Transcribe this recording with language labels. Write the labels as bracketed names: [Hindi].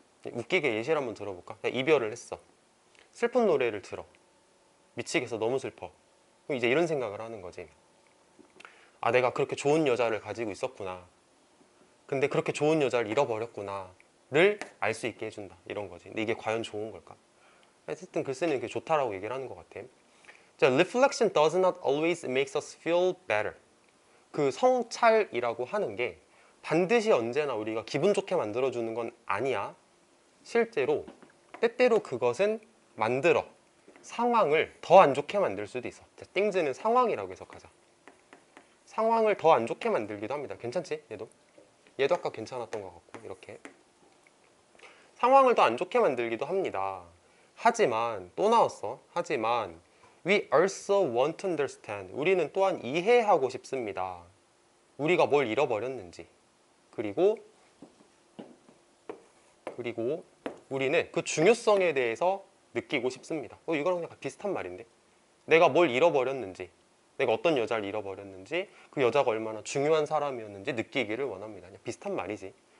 [Korean] 웃기게 예시를 한번 들어볼까? 이별을 했어. 슬픈 노래를 들어. 미치겠어, 너무 슬퍼. 그럼 이제 이런 생각을 하는 거지. 아, 내가 그렇게 좋은 여자를 가지고 있었구나. 근데 그렇게 좋은 여자를 잃어버렸구나. 를 알 수 있게 해준다. 이런 거지. 근데 이게 과연 좋은 걸까? 어쨌든 글쓰는 게 좋다라고 얘기를 하는 것 같아. [English] 자, reflection does not always make us feel better. [Korean] 그 성찰이라고 하는 게 반드시 언제나 우리가 기분 좋게 만들어주는 건 아니야. 실제로 때때로 그것은 만들어. 상황을 더 안 좋게 만들 수도 있어. 자, things는 상황이라고 해석하자. 상황을 더 안 좋게 만들기도 합니다. 괜찮지? 얘도? 얘도 아까 괜찮았던 것 같고 이렇게. 상황을 더 안 좋게 만들기도 합니다. 하지만 또 나왔어. 하지만 [English] we also want to understand. [Korean] 우리는 또한 이해하고 싶습니다. 우리가 뭘 잃어버렸는지. 그리고 우리는 그 중요성에 대해서 느끼고 싶습니다. 이거랑 그냥 비슷한 말인데. 내가 뭘 잃어버렸는지, 내가 어떤 여자를 잃어버렸는지, 그 여자가 얼마나 중요한 사람이었는지 느끼기를 원합니다. 그냥 비슷한 말이지.